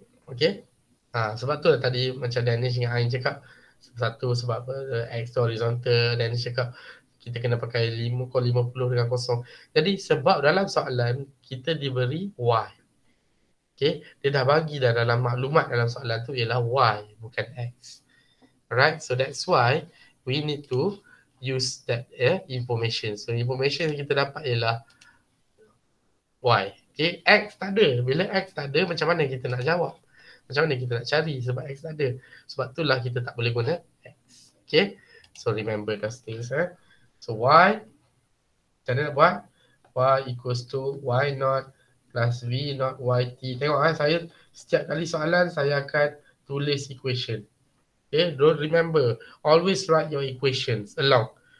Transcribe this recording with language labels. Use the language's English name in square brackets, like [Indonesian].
[Malay] Okay? Ha, sebab tu lah tadi macam Danish dengan Ain cakap satu sebab X tu horizontal. Danish cakap kita kena pakai 5.50 dengan kosong. Jadi sebab dalam soalan kita diberi Y. Okay? Dia dah bagi dah dalam maklumat dalam soalan tu ialah Y bukan X. [English] Alright? So that's why we need to use that information. So information [Malay] yang kita dapat ialah Y. Okay? X tak ada. Bila X tak ada, macam mana kita nak jawab? Macam mana kita nak cari sebab X ada? Sebab itulah kita tak boleh guna X. [English] Okay? So remember those things. Eh? So Y, [Malay] macam mana nak buat? [English] Y equals to Y naught plus V naught YT. [Malay] Tengok kan, saya setiap kali soalan saya akan tulis equation. Okay? [English] Don't remember. Always write your equations along.